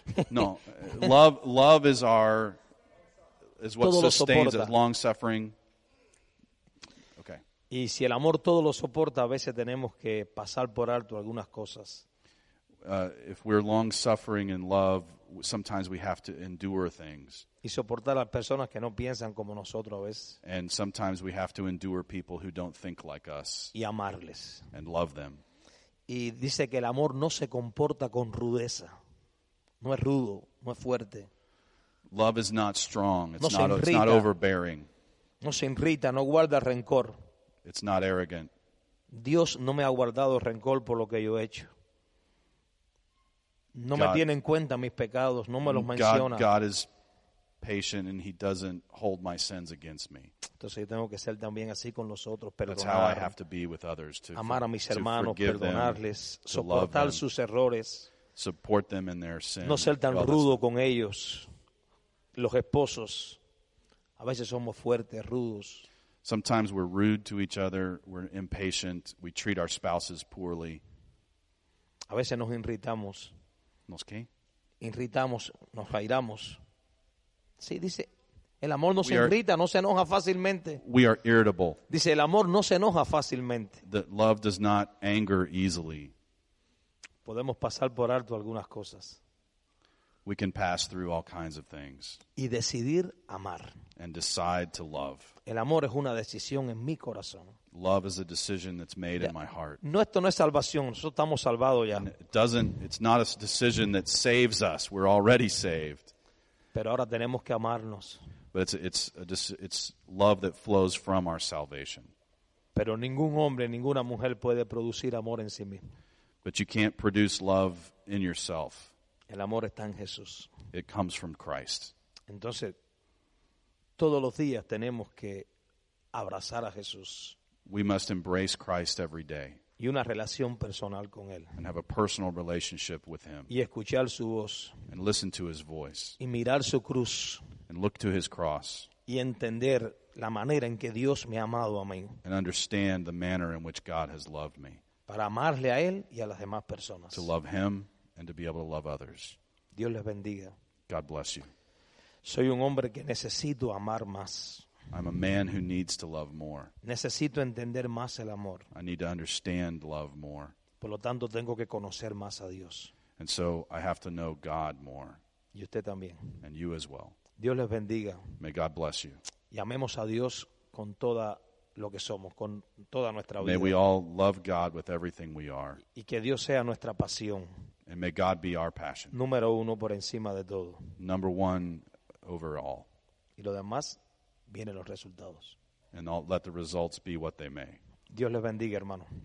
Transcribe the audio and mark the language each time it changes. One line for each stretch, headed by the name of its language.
English: No. Love is our... is what sustains us, long-suffering. Okay.
Spanish: Y si el amor todo lo soporta, a veces tenemos que pasar por alto algunas cosas.
English: If we're long-suffering in love, sometimes we have to endure things.
Spanish: Y soportar a personas que no piensan como nosotros a veces.
English: And sometimes we have to endure people who don't think like us.
Spanish: Y amarles.
English: And love them.
Spanish: Y dice que el amor no se comporta con rudeza. No es rudo, no es fuerte.
English: Love is not strong. It's,
Spanish: no
English: not,
Spanish: se irrita.
English: It's not overbearing.
Spanish: No se irrita, no guarda rencor.
English: It's not arrogant.
Spanish: Dios no me ha guardado rencor por lo que yo he hecho. No God, me tiene en cuenta mis pecados, no me los menciona.
English: God is patient and he doesn't hold my sins against me.
Spanish: Entonces yo tengo que ser también así con los otros, perdonar.
English: That's how I have to be with others, to
Spanish: amar a mis hermanos,
English: to forgive
Spanish: perdonarles,
English: them,
Spanish: soportar sus errores.
English: Support them in their sin.
Spanish: No ser tan rudo con ellos. Los esposos a veces somos fuertes, rudos.
English: Sometimes we're rude to each other, we're impatient, we treat our spouses poorly.
Spanish: A veces nos irritamos. ¿Nos qué? Irritamos, nos airamos. Sí, dice, el amor no se irrita, no se enoja fácilmente.
English: We are irritable.
Spanish: Dice, el amor no se enoja fácilmente.
English: That love does not anger easily.
Spanish: Podemos pasar por alto algunas cosas.
English: We can pass through all kinds of things.
Spanish: Y decidir amar.
English: And decide to love.
Spanish: El amor es una decisión en mi corazón.
English: Love is a decision that's made in my heart.
Spanish: No, esto no es salvación. Nosotros estamos salvados ya.
English: It's not a decision that saves us. We're already saved.
Spanish: Pero ahora tenemos que amarnos.
English: But it's love that flows from our salvation.
Spanish: Pero ningún hombre, ninguna mujer puede producir amor en sí mismo.
English: But you can't produce love in yourself.
Spanish: El amor está en Jesús.
English: It comes from Christ.
Spanish: Entonces, todos los días tenemos que abrazar a Jesús.
English: We must embrace Christ every day.
Spanish: Y una relación personal con él.
English: And have a personal relationship with him.
Spanish: Y escuchar su voz.
English: And listen to his voice.
Spanish: Y mirar su cruz.
English: And look to his cross.
Spanish: Y entender la manera en que Dios me ha amado a mí.
English: And understand the manner in which God has loved me.
Spanish: Para amarle a él y a las demás personas.
English: To love him. And to be able to love others.
Spanish: Dios les bendiga.
English: God bless you.
Spanish: Soy un hombre que necesito amar más.
English: I'm a man who needs to love more.
Spanish: Necesito entender más el amor.
English: I need to understand love more.
Spanish: Por lo tanto, tengo que conocer más a Dios.
English: And so I have to know God more.
Spanish: Y usted también.
English: And you as well.
Spanish: Dios les bendiga.
English: May God bless you.
Spanish: Y amemos a Dios con toda lo que somos, con toda nuestra vida.
English: May we all love God with everything we are.
Spanish: Y que Dios sea nuestra pasión.
English: And may God be our passion.
Spanish: Número uno por encima de todo.
English: Number one over all.
Spanish: Y lo demás, vienen los resultados.
English: And I'll let the results be what they may.
Spanish: Dios les bendiga, hermano.